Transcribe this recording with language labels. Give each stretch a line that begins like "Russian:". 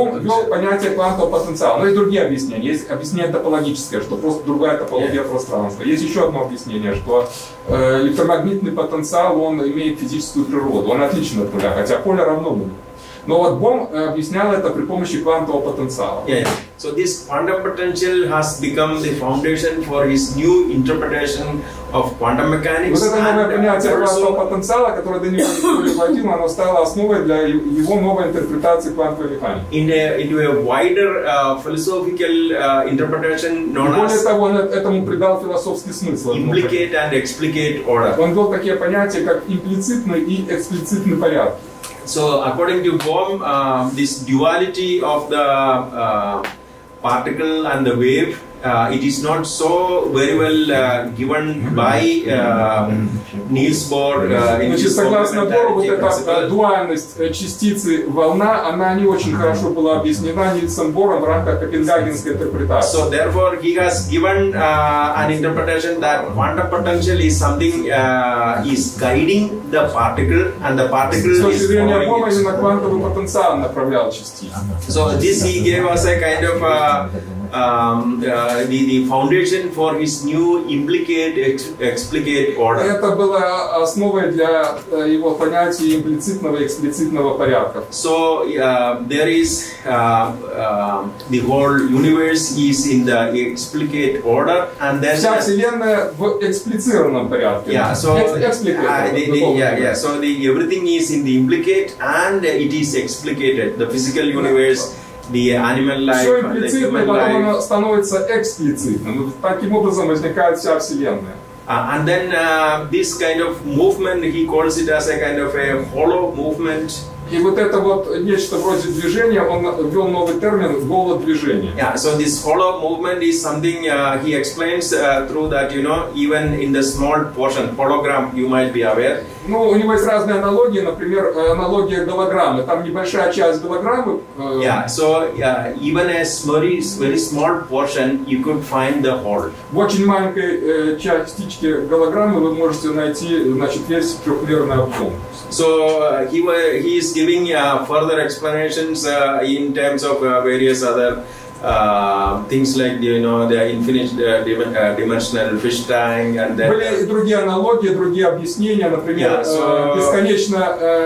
Russian: Он вел понятие квантового потенциала. Но есть другие объяснения. Есть объяснение топологическое, что просто другая топология пространства. Есть еще одно объяснение, что электромагнитный потенциал, он имеет физическую природу. Он отличен от нуля, хотя поле равно нулю. Но вот Бом объяснял это при помощи квантового потенциала.
English: So this quantum potential has become the foundation for his new interpretation of quantum mechanics.
Russian: Вот это новое понятие квантового потенциала, которое до него не приходило, оно стало основой для его новой интерпретации квантовой механики.
English: Into a wider philosophical interpretation known as...
Russian: Более того, он этому придал философский смысл.
English: Implicate and explicate order.
Russian: Он ввел такие понятия, как имплицитный и эксплицитный порядок.
English: So according to Bohm, this duality of the particle and the wave, it is not so very well given by Niels Bohr.
Russian: Значит, согласно Бору, вот эта дуальность частицы волна, она не очень хорошо была объяснена Нильсом Бором в рамках копенгагенской интерпретации.
English: So therefore, he has given an interpretation that quantum potential is something is guiding the particle, and the particle is following it.
Russian: С точки зрения Бома, именно квантовый потенциал направлял частицу.
English: So this he gave us a kind of the foundation for his new implicate explicate order.
Russian: Это было основой для его понятия имплицитного и эксплицитного порядка.
English: So there is the whole universe is in the explicate order, and then
Russian: вся вселенная в эксплицированном порядке.
English: Yeah, so the everything is in the implicate, and it is explicated. The physical universe. The animal life,
Russian: все имплицитно, потом оно становится эксплицитным. Таким образом возникает вся вселенная.
English: And then this kind of movement, he calls it as a kind of a hollow movement.
Russian: И вот это вот нечто вроде движения, он ввел новый термин «голодвижение».
English: Yeah, so this hollow movement is something he explains through that, you know, even in the small portion, hologram, you might be aware.
Russian: Ну, у него есть разные аналогии, например, аналогия голограммы. Там небольшая часть голограммы.
English: Even a very, very small portion, you could find the hole.
Russian: В очень маленькой частичке голограммы вы можете найти, значит, весь трехмерный объем.
English: So he is giving further explanations in terms of various other things like, you know, the infinite dimensional fish tank, and then
Russian: были другие аналогии, другие объяснения, например, бесконечно